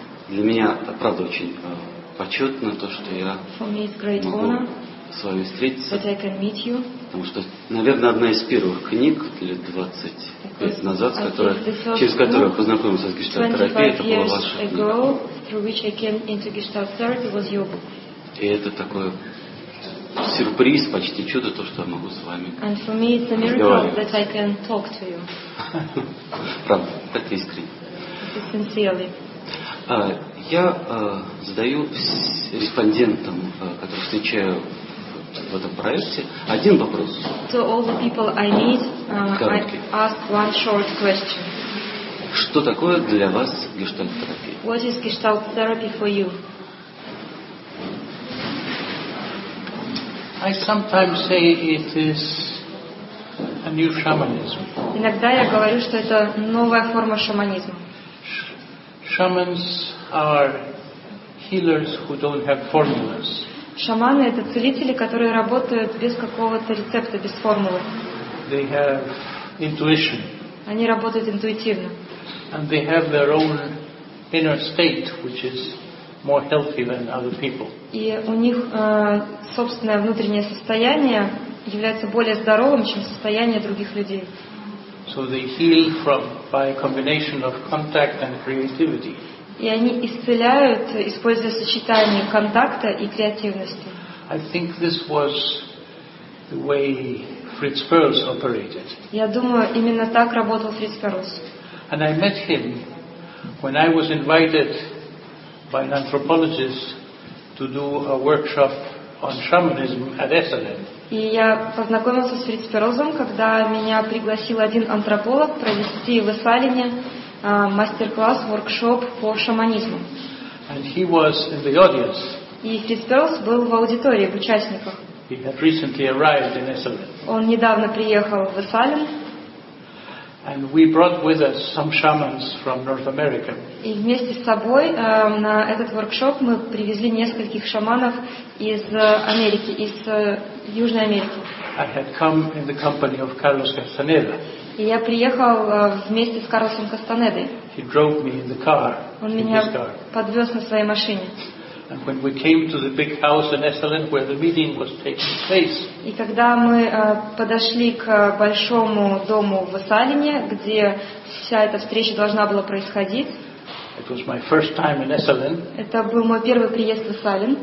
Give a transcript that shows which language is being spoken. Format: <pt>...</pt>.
<ru>Для меня, правда, очень почетно то, что я могу с вами встретиться. Потому что, наверное, одна из первых книг лет 25 назад, через которую я познакомился с гештальт-терапией, это была ваша книга.</ru> <en>Through which I came into Gestalt therapy was your book.</en> <ru>И это такой сюрприз, почти чудо, то, что я могу с вами.</ru> <en>And for me it's a miracle that I can talk to you.</en> <ru>Правда, так искренне.</ru> <en>Sincerely.</en> <ru>Я задаю респондентам, которых встречаю в этом проекте, один вопрос.</ru> <en>To all the people I meet, I ask one short question.</en> <ru>Что такое для вас гештальт-терапия?</ru> <en>What is gestalt therapy for you? I sometimes say it is a new shamanism.</en> <ru>Иногда я говорю, что это новая форма шаманизма.</ru> <en>Shamans are healers who don't have formulas.</en> <ru>Шаманы — это целители, которые работают без какого-то рецепта, без формулы.</ru> <en>They have intuition.</en> <ru>Они работают интуитивно.</ru> <en>And they have their own inner state, which is more healthy than other people.</en> <ru>И у них собственное внутреннее состояние является более здоровым, чем состояние других людей.</ru> <en>So they heal by a combination of contact and creativity.</en> <ru>И они исцеляют, используя сочетание контакта и креативности.</ru> <en>I think this was the way Fritz Perls operated.</en> <ru>Я думаю, именно так работал Фриц Перлс.</ru> <en>And I met him when I was invited by an anthropologist to do a workshop on shamanism at Esalen.</en> <ru>И я познакомился с Фриц Перлзом, когда меня пригласил один антрополог провести в Эсалене мастер-класс, воркшоп по шаманизму.</ru> <en>And he was in the audience.</en> <ru>И Фриц Перлз был в аудитории, в участниках.</ru> <en>He had recently arrived in Esalen.</en> <ru>Он недавно приехал в Эсален.</ru> <en>And we brought with us some shamans from North America.</en> <ru>И вместе с собой на этот воркшоп мы привезли нескольких шаманов из Америки, из Южной Америки.</ru> <en>I had come in the company of Carlos Castaneda.</en> <ru>И я приехал вместе с Карлосом Кастанедой.</ru> <en>He drove me in the car.</en> <ru>Он меня подвез на своей машине.</ru> <en>And when we came to the big house in Esalen where the meeting was taking place.</en> <ru>И когда мы подошли к большому дому в Эсалене, где вся эта встреча должна была происходить.</ru> <en>It was my first time in Esalen.</en> <ru>Это был мой первый приезд в Эсален.</ru>